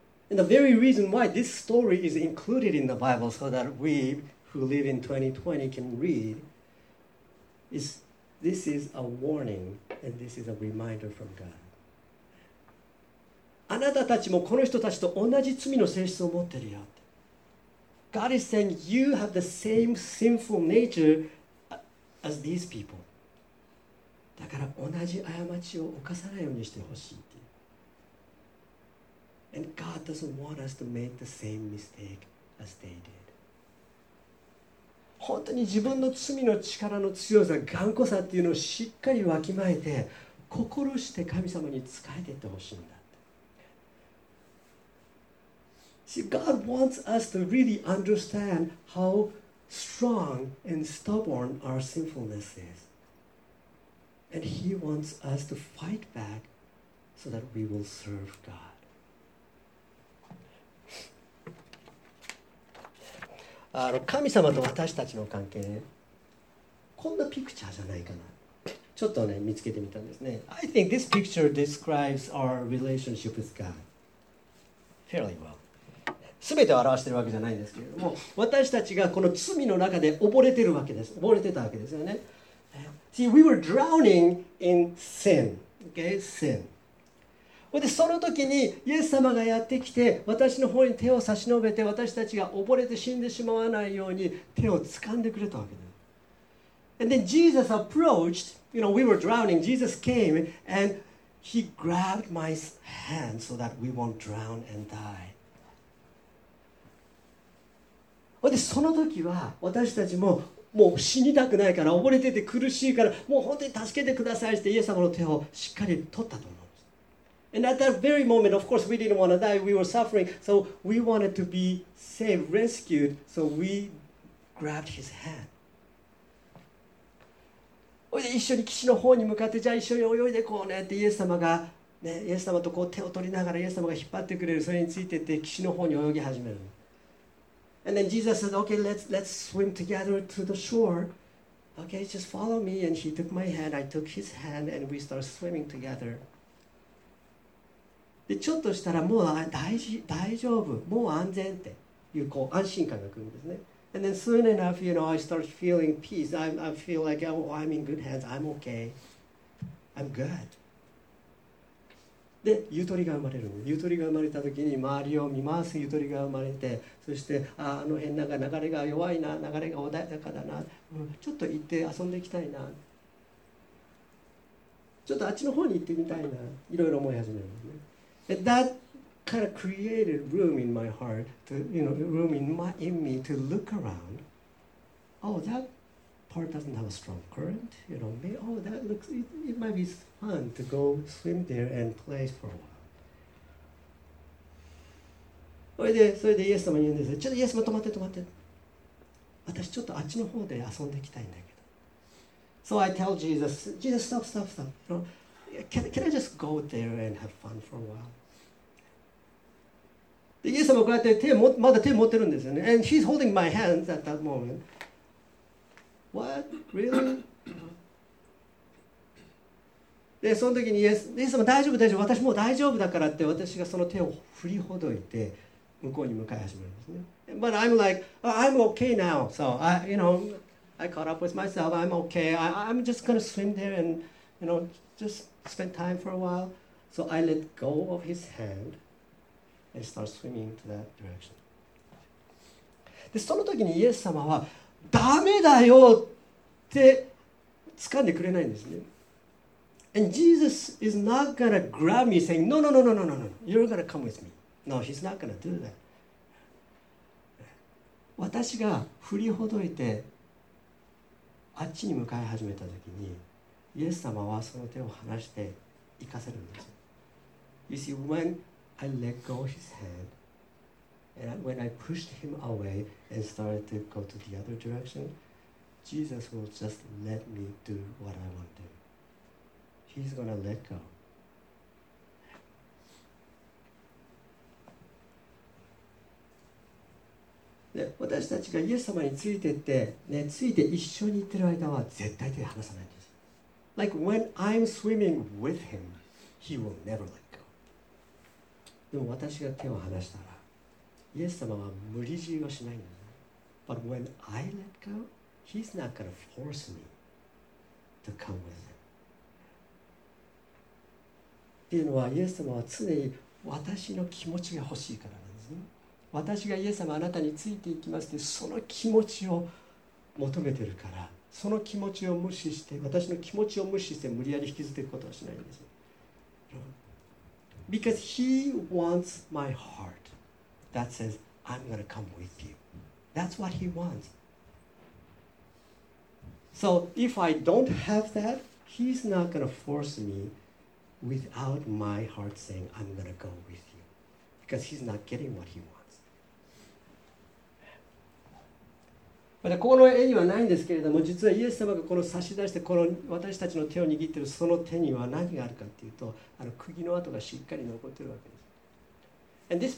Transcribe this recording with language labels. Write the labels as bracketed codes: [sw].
[en] And the very reason why this story is included in the Bible so that we who live in 2020 can read is this is a warning and this is a reminder from God. [ja] あなたたちもこの人たちと同じ罪の性質を持ってるよ。 [en] God is saying you have the same sinful nature as these people. [ja] だから同じ過ちを犯さないようにしてほしいって。 [en] And God doesn't want us to make the same mistake as they did. [ja] 本当に自分の罪の力の強さ、頑固さっていうのをしっかりわきまえて、心して神様に仕えていってほしいんだ。 [en] See, God wants us to really understand how strong and stubborn our sinfulness is. And He wants us to fight back so that we will serve God. [ja] あの、神様と私たちの関係ね、こんなピクチャーじゃないかな。ちょっとね、見つけてみたんですね。 [en] I think this picture describes our relationship with God fairly well. [ja] 全てを表しているわけじゃないんですけれども、私たちがこの罪の中で溺れてるわけです。溺れてたわけですよね。 [en] See, we were drowning in sin. Okay, sin. [ja] で、その時にイエス様がやってきて、私の方に手を差し伸べて、私たちが溺れて死んでしまわないように手を掴んでくれたわけです。 [en] And then Jesus approached, you know, we were drowning. Jesus came and he grabbed my hand so that we won't drown and die. [ja] でその時は私たちももう死にたくないから溺れてて苦しいからもう本当に助けてくださいってイエス様の手をしっかり取ったと思うんです。 [en] And at that very moment, of course, we didn't want to die. We were suffering, so we wanted to be saved, rescued. So we grabbed his hand. [ja] で一緒に岸の方に向かってじゃあ一緒に泳いでこうねってイエス様がねイエス様とこう手を取りながらイエス様が引っ張ってくれるそれについてって岸の方に泳ぎ始める。 [en] And then Jesus said, okay, let's swim together to the shore. Okay, just follow me. And he took my hand, I took his hand, and we started swimming together. [ja] で、ちょっとしたらもう大丈夫、もう安全っていう、こう安心感が来るんですね。 [en] And then soon enough, you know, I started feeling peace. I feel like, oh, I'm in good hands, I'm okay. I'm good. [ja] で、ゆとりが生まれる。ゆとりが生まれたときに周りを見回すゆとりが生まれて、そして あの辺なんか流れが弱いな、流れが穏やかだな、うん、ちょっと行って遊んでいきたいな、ちょっとあっちの方に行ってみたいな、いろいろ思い始めるんですね。 [en] That kind of created room in my heart, to, you know, room in me to look around. Oh, that part doesn't have a strong current, you know. Maybe, oh, that looks, it might be fun to go swim there and play for a while. [ja] それでイエス様に言うんですよ。ちょっとイエス様止まって止まって。私ちょっとあっちの方で遊んでいきたいんだけど。 [en] So I tell Jesus, Jesus, stop, stop, stop. You know, can I just go there and have fun for a while? [ja] でイエス様こうやって手もまだ手持ってるんですよね。 [en] And he's holding my hands at that moment. What? Really? [ja] でその時にイエス様大丈夫大丈夫。私もう大丈夫だからって私がその手を振りほどいて。向こうに向かい始めるんですね。 [en] But I'm like,、oh, I'm okay now. So, I, you know, I caught up with myself. I'm okay. I'm just going to swim there and, you know, just spend time for a while. So I let go of his hand and start swimming to that direction. [ja] で、その時にイエス様は、ダメだよって掴んでくれないんですね。 [en] And Jesus is not going to grab me saying, no, no, no, no, no, no, no. You're going to come with me. No, he's not gonna do that. [ja] 私が振りほどいてあっちに向かい始めた時にイエス様はその手を離して行かせるんです。 [en] You see, when I let go of his hand and when I pushed him away and started to go to the other direction, Jesus will just let me do what I want to. He's gonna let go. [ja] で私たちがイエス様についてって、ね、ついて一緒に行ってる間は絶対手を離さないんです。 [en] Like when I'm swimming with him, he will never let go. [ja] でも私が手を離したら、イエス様は無理強いはしないんだ。 [en] But when I let go, He's not gonna force me to come with Him. [ja] っていうのはイエス様は常に私の気持ちが欲しいからなんですね。私がイエス様あなたについていきますってその気持ちを求めてるから、その気持ちを無視して私の気持ちを無視して無理やり引きずっていくことはしないんです。 [en] Because He wants my heart that says I'm gonna come with you. That's what He wants. So if I don't have that, He's not gonna force me without my heart saying I'm gonna go with you. Because He's not getting what He wants. [ja] またここの絵にはないんですけれども、実はイエス様がこの差し出してこの私たちの手を握っているその手には何があるかというと、あの釘の跡がしっかり残っているわけです。